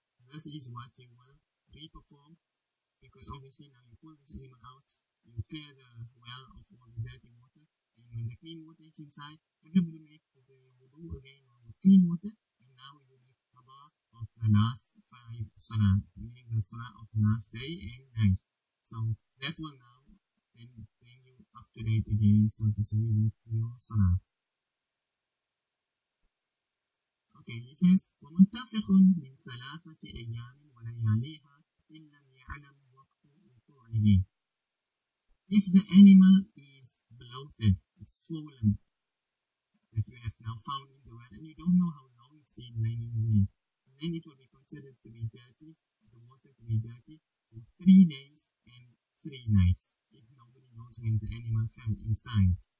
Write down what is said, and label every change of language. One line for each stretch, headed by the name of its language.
English: This is what you will re-perform, because obviously now you pull this animal out, you clear the well of all the dirty water, and when the clean water is inside, everybody makes the wudu again on the clean water, and now you make qada of the last five salah, meaning the salah of the last day and night. So that will now bring you up to date again, so to say, with your salah. Okay, it says,
Arabic: وَمُنْتَفِخٌ مِنْ ثَلَاثَةِ أَيَّامٍ وَلَيَالِيهَا إِنْ لَمْ يَعْلَمْ وَقْتُ وُقُوعِهِ.
English: If the animal is bloated, it's swollen, that you have now found in the well, and you don't know how long it's been lying in the well, and then it will be considered to be dirty, the water to be dirty, for 3 days and 3 nights, if nobody knows when the animal fell inside.